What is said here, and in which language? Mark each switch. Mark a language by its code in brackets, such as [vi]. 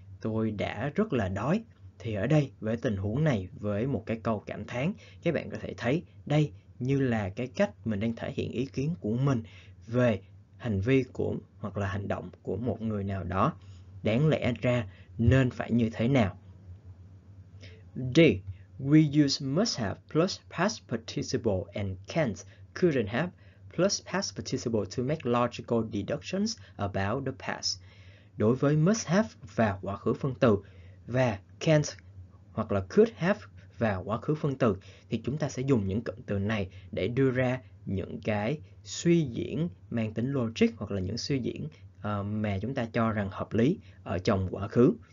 [vi] Tôi đã rất là đói. Thì ở đây, với tình huống này, với một cái câu cảm thán, các bạn có thể thấy đây như là cái cách mình đang thể hiện ý kiến của mình về hành vi của hoặc là hành động của một người nào đó đáng lẽ ra nên phải như thế nào. D. [en] We use must have plus past participle and can't, couldn't have plus past participle to make logical deductions about the past. [vi] Đối với must have và quá khứ phân từ và can't hoặc là could have và quá khứ phân từ thì chúng ta sẽ dùng những cụm từ này để đưa ra những cái suy diễn mang tính logic hoặc là những suy diễn mà chúng ta cho rằng hợp lý ở trong quá khứ.